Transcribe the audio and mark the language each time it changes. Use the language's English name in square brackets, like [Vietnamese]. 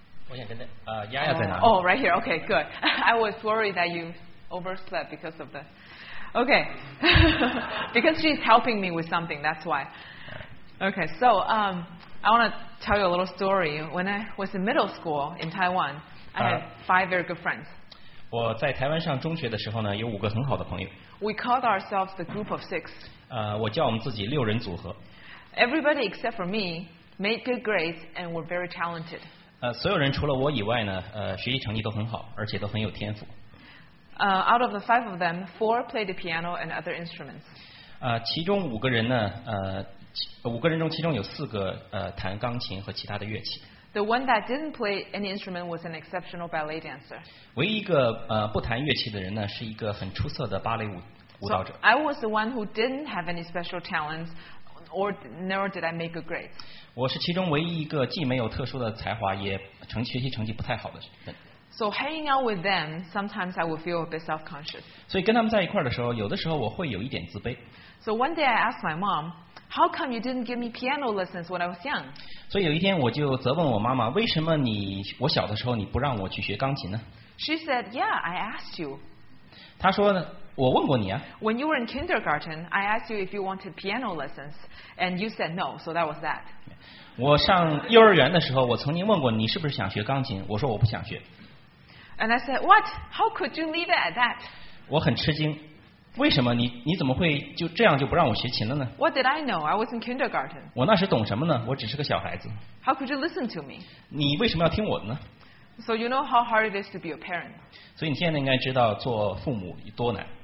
[Chinese] 我想跟他，Yaya 在哪里？ [English] Oh, right here. Okay, good. I was worried that you overslept because of this. Okay, because she's helping me with something. That's why. Okay, so I want to tell you a little story. When I was in middle school in Taiwan, I had five very good friends. [Chinese] 我在台湾上中学的时候呢，有五个很好的朋友。 [English] We called ourselves the group of six. [Chinese] 我叫我们自己六人组合。 [English] Everybody except for me made good grades and were very talented. [Chinese] 所有人除了我以外呢，学习成绩都很好，而且都很有天赋。 [English] Out of the five of them, four played the piano and other instruments. [Chinese] 其中五个人呢，五个人中其中有四个弹钢琴和其他的乐器。 [English] The one that didn't play any instrument was an exceptional ballet dancer. [Chinese] 唯一一个不弹乐器的人呢，是一个很出色的芭蕾舞蹈者。 [English] So I was the one who didn't have any special talents, or nor did I make a grade. [Chinese] 我是其中唯一一个既没有特殊的才华，也学习成绩不太好的人。 [English] So hanging out with them, sometimes I would feel a bit self-conscious. [Chinese] 所以跟他们在一块的时候，有的时候我会有一点自卑。 [English] So one day I asked my mom. How come you didn't give me piano lessons when I was young? [Chinese] 所以有一天我就责问我妈妈，为什么我小的时候你不让我去学钢琴呢？ [English] She said, "Yeah, I asked you." [Chinese] 她说我问过你啊。 [English] When you were in kindergarten, I asked you if you wanted piano lessons, and you said no. So that was that. [Chinese] 我上幼儿园的时候，我曾经问过你是不是想学钢琴，我说我不想学。 [English] And I said, "What? How could you leave it at that?" [Chinese] 我很吃惊。为什么你怎么会就这样就不让我学琴了呢 [English] ？What did I know? I was in kindergarten. [Chinese] 我那时懂什么呢？我只是个小孩子。 [English] How could you listen to me? [Chinese] 你为什么要听我的呢 [English] ？So you know how hard it is to be a parent. [Chinese] 所以你现在应该知道做父母多难。